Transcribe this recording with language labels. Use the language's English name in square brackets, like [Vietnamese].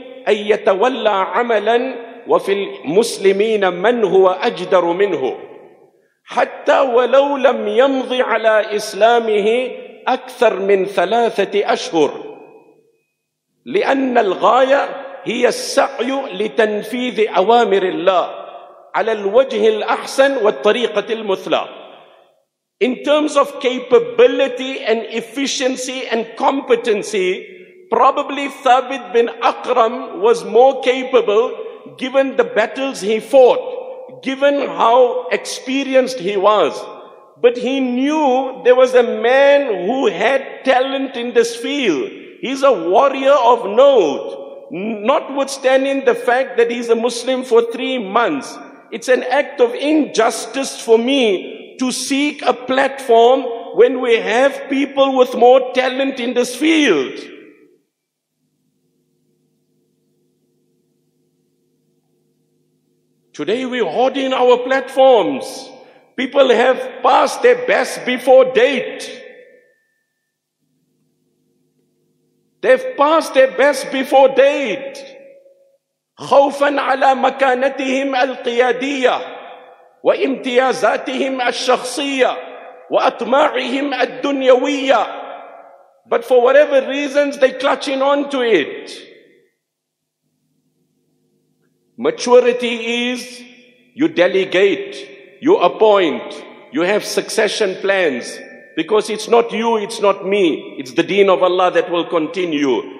[Arabic] أن يتولى عملا وفي المسلمين من هو أجدر منه حتى ولو لم يمض على إسلامه أكثر من 3 أشهر لأن الغاية هي السعي لتنفيذ أوامر الله على الوجه الأحسن والطريقة المثلى. [English] In terms of capability and efficiency and competency, probably Thabit bin Akram was more capable given the battles he fought, given how experienced he was. But he knew there was a man who had talent in this field. He's a warrior of note. Notwithstanding the fact that he's a Muslim for 3 months, it's an act of injustice for me to seek a platform when we have people with more talent in this field. Today we hoard in our platforms. People have passed their best before date. They've passed their best before date. [Arabic] خوفاً على مكانتهم القيادية وامتيازاتهم الشخصية وأطماعهم الدنيوية. [English] But for whatever reasons, they're clutching on to it. Maturity is you delegate, you appoint, you have succession plans. Because it's not you, it's not me, it's the deen of Allah that will continue.